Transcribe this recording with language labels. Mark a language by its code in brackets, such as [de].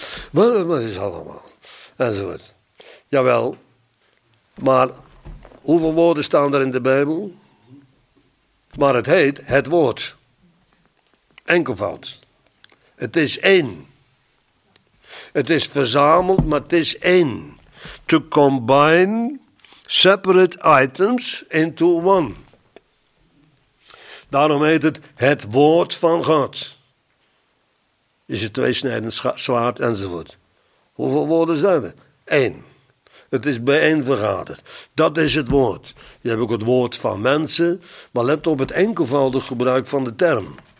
[nl] Wat is allemaal? Enzovoort. Jawel. Maar hoeveel woorden staan er in de Bijbel? Maar het heet het woord. Enkelvoud. Het is één. Het is verzameld, maar het is één. [en] To combine separate items into one. [nl] Daarom heet het het woord van God. Is het tweesnijdend zwaard enzovoort. Hoeveel woorden zijn er? Eén. Het is bijeenvergaderd. Dat is het woord. Je hebt ook het woord van mensen. Maar let op het enkelvoudig gebruik van de term.